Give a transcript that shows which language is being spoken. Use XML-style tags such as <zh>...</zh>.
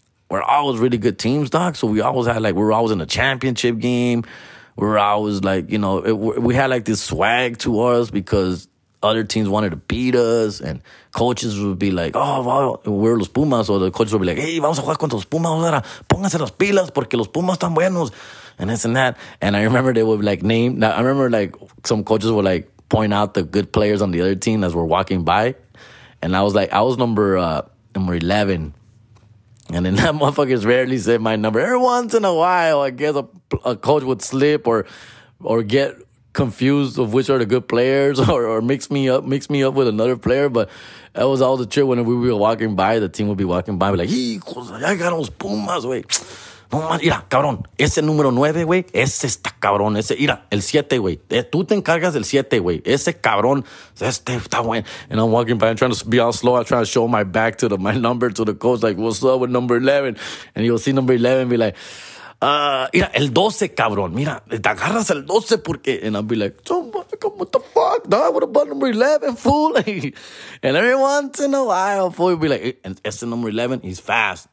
<en>We're always really good teams, dog. So we always had like, we were always in a championship game. We were always like, you know, we had like this swag to us because other teams wanted to beat us. And coaches would be like, oh, wow, we're los Pumas. Or the coaches would be like, hey,</en> <es>vamos a jugar contra los Pumas. Ahora. Pónganse las pilas porque los Pumas están buenos.</es> <en>And this and that. And I remember they would like name. Now, I remember like some coaches would like point out the good players on the other team as we're walking by. And I was like, I was number 11. And then that motherfuckers rarely said my number. Every once in a while, I guess a coach would slip or get confused of which are the good players or mix me up with another player. But that was all the trick. When we were walking by, the team would be walking by, be like,</en> <es>hijos, ya ganaron los Pumas, güey. No más, mira, cabrón, ese número 9, güey, ese está cabrón, ese, mira, el 7, güey, tú te encargas del 7, güey, ese cabrón, este está bueno.</es> <en>And I'm walking by, I'm trying to be all slow, I'm trying to show my back to my number to the coach, like, what's up with number 11? And you'll see number 11 be like,</en> <es>mira, el 12, cabrón. Mira, te agarras el 12 porque.</es> <en>And I'll be like, somebody, come, what the fuck, dog? What about number 11, fool? And every once in a while, fool, you'll be like, ese number 11, he's fast.</en>